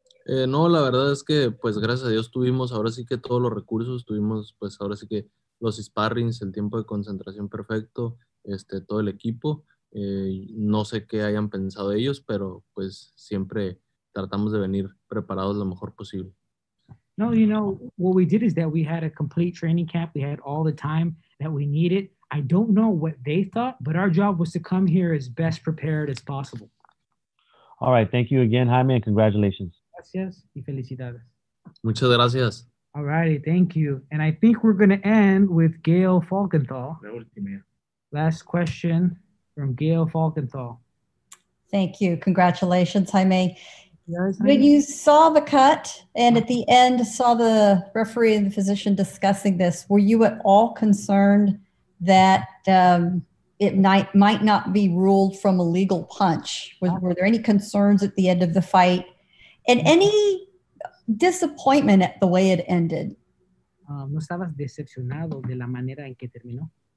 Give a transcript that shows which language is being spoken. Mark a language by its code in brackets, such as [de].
[es] No, la verdad es que, pues, gracias a Dios tuvimos ahora sí que todos los recursos, tuvimos, pues, ahora sí que los sparrings, el tiempo de concentración perfecto, todo el equipo. No sé qué hayan pensado ellos, pero, pues, siempre tratamos de venir preparados lo mejor posible. [en] No, you know, what we did is that we had a complete training camp. We had all the time that we needed. I don't know what they thought, but our job was to come here as best prepared as possible. All right. Thank you again, Jaime, and congratulations. [es] Gracias y felicidades. Muchas gracias. [en] All righty. Thank you. And I think we're going to end with Gail Falkenthal. [es] La última. [en] Last question from Gail Falkenthal. Thank you. Congratulations, Jaime. When you saw the cut and at the end saw the referee and the physician discussing this, were you at all concerned that it might not be ruled from a legal punch? Were there any concerns at the end of the fight? And any disappointment at the way it ended? [es] ¿No estabas decepcionado de la manera en que terminó?